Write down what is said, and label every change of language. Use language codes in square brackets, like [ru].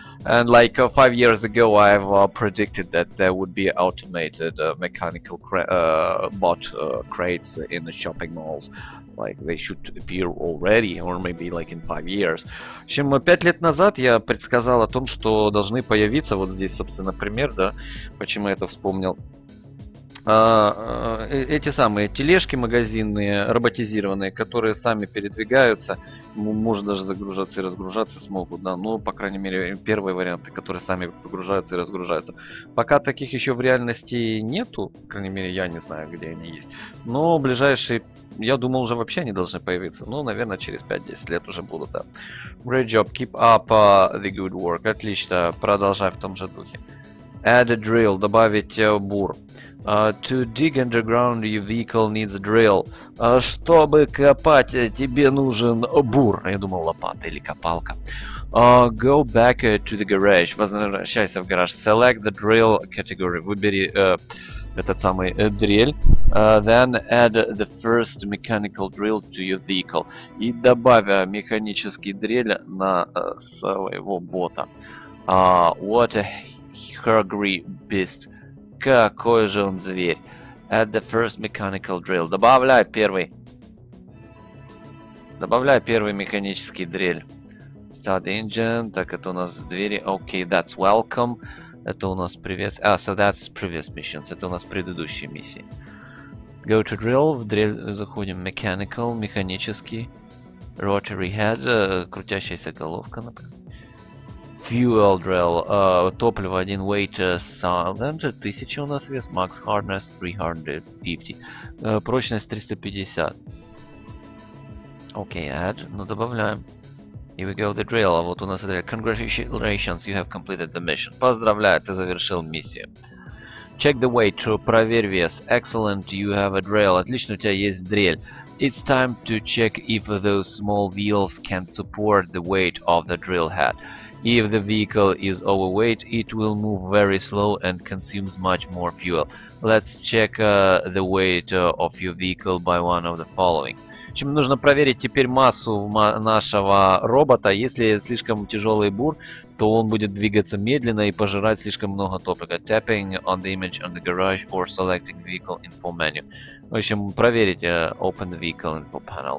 [en] And like 5 years ago, I've predicted that there would be automated mechanical bot crates in the shopping malls. Like they should appear already, or maybe like in 5 years. [ru] В общем, 5 лет назад я предсказал о том, что должны появиться вот здесь, собственно, пример, да, почему я это вспомнил. Эти самые тележки, магазины роботизированные, которые сами передвигаются, может даже загружаться и разгружаться смогут, да, ну, по крайней мере, первые варианты, которые сами погружаются и разгружаются. Пока таких еще в реальности нету, по крайней мере, я не знаю, где они есть, но ближайшие, я думал, уже вообще они должны появиться, ну, наверное, через 5-10 лет уже будут, да. [en] Great job, keep up the good work. [ru] Отлично, продолжай в том же духе. [en] Add a drill, [ru] добавить бур. [en] To dig underground, your vehicle needs a drill. [ru] Чтобы копать, тебе нужен бур. Я думал, лопата или копалка. [en] Go back to the garage. [ru] Возвращайся в гараж. [en] Select the drill category. [ru] Выбери этот самый дрель. [en] Then add the first mechanical drill to your vehicle. [ru] И добавь механический дрель на своего бота. [en] What a hungry beast. [ru] Какой же он зверь. [en] Add the first mechanical drill. [ru] Добавляй первый. Добавляй первый механический дрель. [en] Start the engine. [ru] Так, это у нас двери. [en] Okay, that's welcome. [ru] Это у нас привет. [en] Ah, so that's previous missions. [ru] Это у нас предыдущие миссии. [en] Go to drill. [ru] В дрель заходим. [en] Mechanical. Механический. Rotary head. [ru] Крутящаяся головка, например. [en] Fuel drill, [ru] топливо один, [en] weight silent, 1000 [ru] у нас вес, [en] max hardness 350, [ru] прочность [en] 350. [ru] Окей, add, ну добавляем. [en] Here we go, the drill, [ru] вот у нас дрель. [en] Congratulations, you have completed the mission. [ru] Поздравляю, ты завершил миссию. [en] Check the weight, [ru] проверь вес. [en] Excellent, you have a drill. [ru] Отлично, у тебя есть дрель. [en] It's time to check if those small wheels can support the weight of the drill head. If the vehicle is overweight, it will move very slow and consumes much more fuel. Let's check the weight of your vehicle by one of the following. [ru] Чем нужно проверить теперь массу нашего робота. Если слишком тяжелый бур, то он будет двигаться медленно и пожирать слишком много топлива. [en] Tapping on the image on the garage or selecting vehicle info menu. [ru] В общем, проверить [en] open the vehicle info panel.